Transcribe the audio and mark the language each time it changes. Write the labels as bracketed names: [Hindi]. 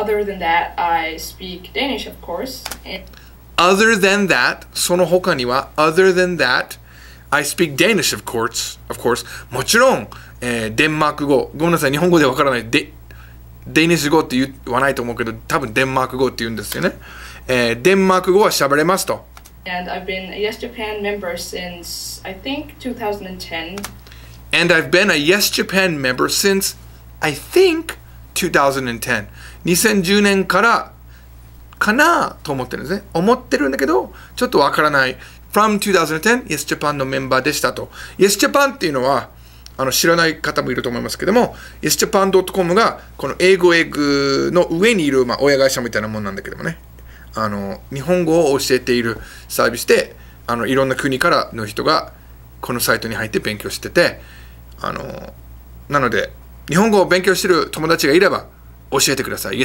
[English] Other than that, I speak Danish, of course. And... Other than that, [Japanese] その他には、 [English] other than that, I speak Danish, of course. [Japanese] もちろん、デンマーク語。ごめんなさい、日本語でわからない。デイニッシュ語って言わないと思うけど、多分デンマーク語って言うんですよね。デンマーク語は喋れますと。 [English] And I've been a Yes Japan member since, I think, 2010. And I've been a Yes Japan member since, I think, 2010. [Japanese] 2010年からかなと思ってるんですね。思ってるんだけど、ちょっとわからない。 [English] From 2010, [Japanese] Yes Japan のメンバーでしたと。 Yes Japan っていうのは、知らない方もいると思いますけども、yesjapan.com がこの英語エッグの上にいる、まあ、親会社みたいなもんなんだけどもね、日本語を教えているサービスで、いろんな国からの人がこのサイトに入って勉強してて、なので日本語を勉強してる友達がいれば教えてください。